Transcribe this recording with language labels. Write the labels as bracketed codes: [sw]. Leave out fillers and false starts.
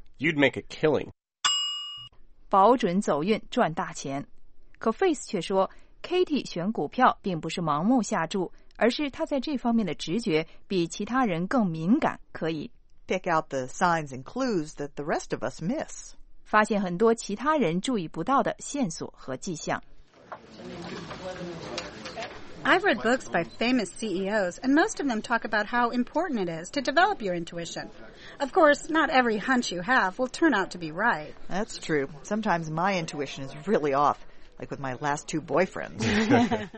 [en] You'd make a killing. [zh] 保准走运赚大钱。可 Face 却说 ，Katie 选股票并不是盲目下注，而是她在这方面的直觉比其他人更敏感，可以。 [en] Pick out the signs and clues that the rest of us miss. [zh] 发现很多其他人注意不到的线索和迹象。 [en] I've read books by famous CEOs, and most of them talk about how important it is to develop your intuition. Of course, not every hunch you have will turn out to be right. That's true. Sometimes my intuition is really off, like with my last two boyfriends.